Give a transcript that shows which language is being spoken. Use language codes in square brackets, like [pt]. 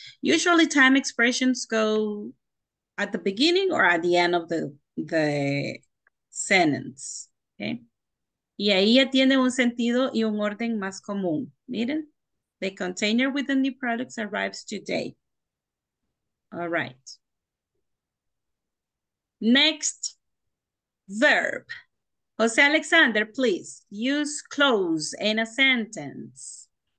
[en] Usually time expressions go at the beginning or at the end of the sentence. Okay. [es] Y ahí ya tiene un sentido y un orden más común. [en] Miren, the container with the new products arrives today. All right. Next verb. Jose Alexander, please use close in a sentence.